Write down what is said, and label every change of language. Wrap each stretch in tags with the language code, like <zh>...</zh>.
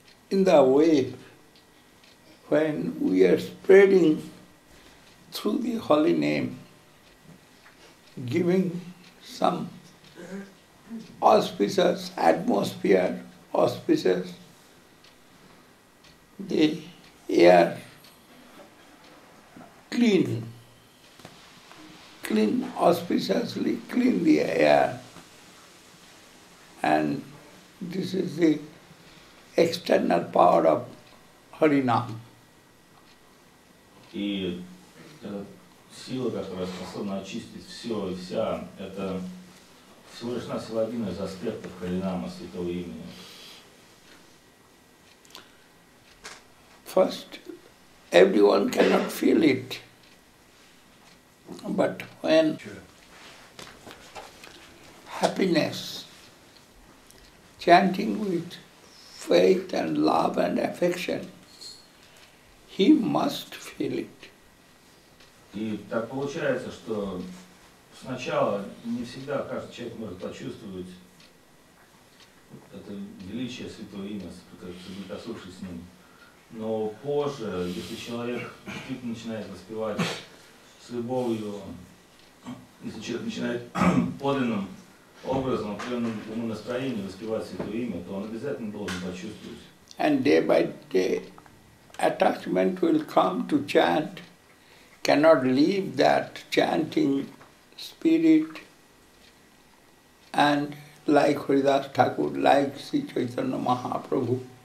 <en>in the wave, when we are spreading through the holy name, giving some auspicious atmosphere, auspicious the air, clean, auspiciously clean the air, and this is the external power of Harinam.</en> <ru>И сила, которая способна очистить все и вся, это всего лишь на всего один из аспектов Харинама святого имени.</ru> <en>First, everyone cannot feel it. But when happiness, chanting with faith and love and affection, he must feel it.</en> <ru>И так получается, что сначала не всегда каждый человек может почувствовать это величие святого имя, соприкоснувшись с ним. Но позже, если человек действительно начинает воспевать с любовью, если человек начинает подлинным образом, определенным ему настроением воспевать святое имя, то он обязательно должен почувствовать.</ru> <en>And day by day, attachment will come to chant, cannot leave that chanting spirit, and like Haridas Thakur, like Sri Chaitanya Mahaprabhu,</en>